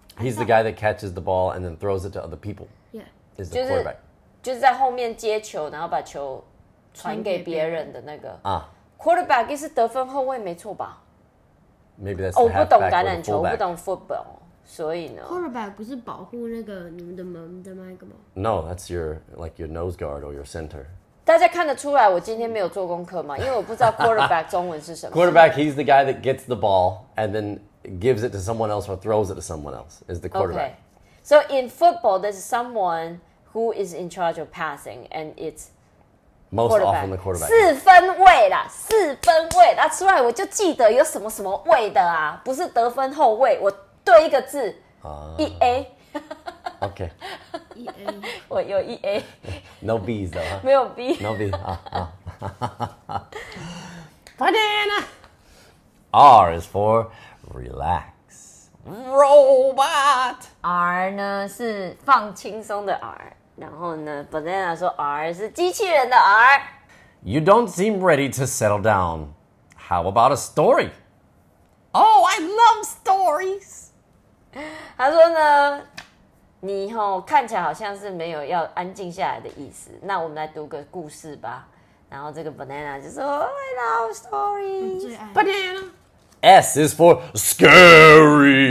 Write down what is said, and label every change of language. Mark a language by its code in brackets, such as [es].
[en] He's the guy that catches the ball and then throws it to other people. Yeah, is the quarterback. [zh] 就是在后面接球，然后把球传给别人的那个啊。 Quarterback 是得分后卫，没错吧 [en] ？Maybe that's the halfback. [zh] 不懂橄榄球，不懂 football。所以呢，quarterback 不是保护那个你们的门的那个吗 [en] ？No, that's your nose guard or your center. [zh] 大家看得出来我今天没有做功课吗？因为我不知道 quarterback 中文是什么。 [en] Quarterback, he's the guy that gets the ball and then gives it to someone else or throws it to someone else. Is the quarterback. Okay. So in football, there's someone who is in charge of passing, and it's most often the quarterback. [zh] 四分位啦，那出来我就记得有什么什么位的啊，不是得分后卫我。对一个字、EA [en] OK EA [zh] 我有 EA [en] No B's though、huh? [zh] 没有 B [en] No B 、 Banana R is for relax Robot [zh] R 呢是放轻松的 R 然后呢 Banana 说 R 是机器人的 R [en] You don't seem ready to settle down How about a story? Oh I love stories [zh] 他说呢，你吼看起来好像是没有要安静下来的意思。那我们来读个故事吧。然后这个 banana 就说 ， [en] Oh, I love stories. Banana. S is for scary.